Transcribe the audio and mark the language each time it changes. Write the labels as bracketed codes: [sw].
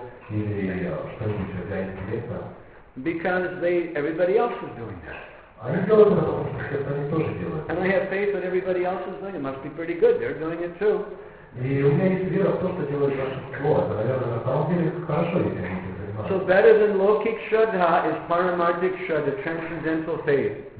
[ru] Или что-нибудь для интеллекта. [en] Because everybody else is doing that. [ru] Они делают это, потому что они тоже делают. [en] And I have faith that everybody else is doing it. It must be pretty good. They're doing it too. [ru] И у меня есть вера в то, что делают наши слова. Наверное, на самом деле хорошо, если они это делают. [en] So better than Lokik Shraddha is Paramarthik Shraddha, transcendental faith.